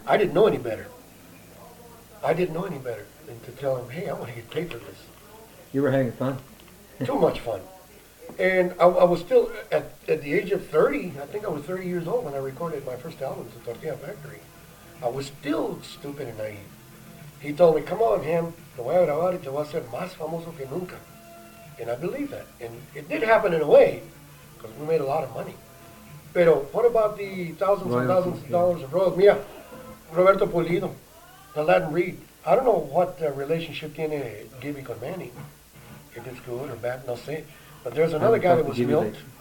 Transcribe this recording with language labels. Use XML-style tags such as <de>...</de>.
<en>I didn't know any better. I didn't know any better than to tell him, hey, I want to get paid for this. You were having fun. Too much fun. And I was still at the age of 30. I think I was 30 years old when I recorded my first album, The Tortilla Factory. I was still stupid and naive. He told me, come on, man,</en> <es>te voy a grabar y te voy a ser más famoso que nunca.</es> <en>And I believe that. And it did happen in a way, because we made a lot of money. Pero what about the thousands and thousands of dollars of royalties? Mira, Roberto Pulido, the Latin Reed. I don't know what relationship tiene Gibby con Manny. If it's good or bad,</en> <es>no sé.</es> <en>But there's another guy that was milked.</en>